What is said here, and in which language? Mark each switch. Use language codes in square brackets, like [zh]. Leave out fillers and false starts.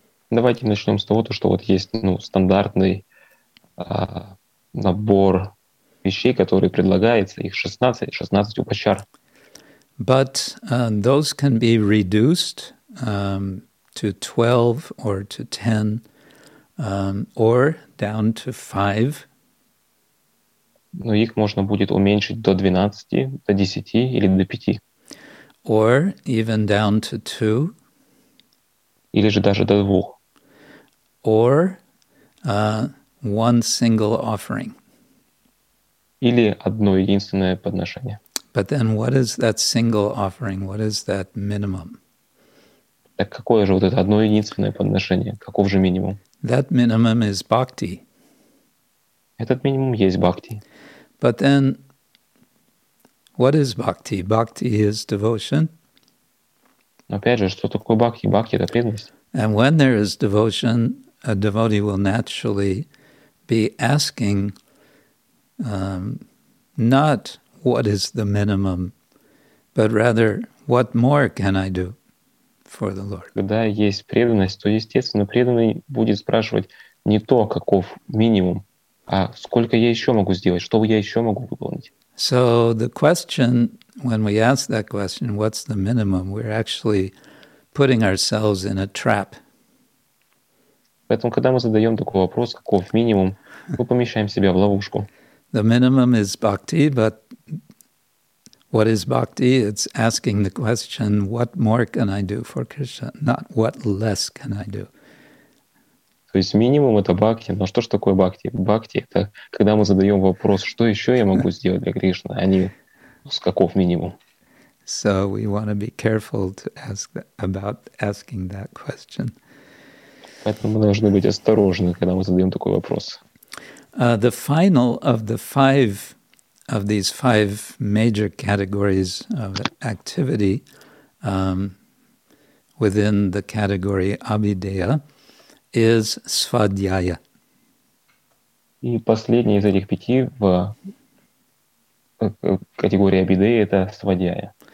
[ru] Давайте начнем с того, что вот есть стандартный набор вещей, которые предлагаются, их 16, 16 упачар. [en] But those can be reduced to 12 or to 10 or down to 5. [ru] Но их можно будет уменьшить до 12, до 10 или до 5. [en] Or even down to 2. [ru] Или же даже до 2. [en] Or one single offering. [ru] Или одно единственное подношение. [en] But then what is that single offering? What is that minimum? [ru] Так какое же вот это одно единственное подношение? Каков же минимум? [en] That minimum is bhakti. [ru] Этот минимум есть бхакти. [en] But then what is bhakti? Bhakti is devotion. [ru] Опять же, что такое бхакти? Бхакти – это преданность. [en] And when there is devotion, a devotee will naturally be asking not what is the minimum, but rather what more can I do for the Lord. [ru] Когда есть преданность, то естественно преданный будет спрашивать не то, каков минимум, а сколько я еще могу сделать, что я еще могу выполнить. [en] So the question, when we ask that question, what's the minimum, we're actually putting ourselves in a trap. [ru] Поэтому, когда мы задаем такой вопрос, каков минимум, мы помещаем себя в ловушку. [en] The minimum is bhakti, but what is bhakti? It's asking the question, what more can I do for Krishna? Not what less can I do. [ru] То есть минимум — это бхакти. Но что ж такое бхакти? Бхакти — это когда мы задаем вопрос, что еще я могу сделать для Кришны, а не с каков минимум. [en] So we want to be careful to ask about asking that question. [ru] Поэтому мы должны быть осторожны, когда мы задаем такой вопрос. [en] The final of the five of these five major categories of activity within the category Abhideya is Svadhyaya. [ru] И последний из этих пяти в категории Abhideya — это Svadhyaya.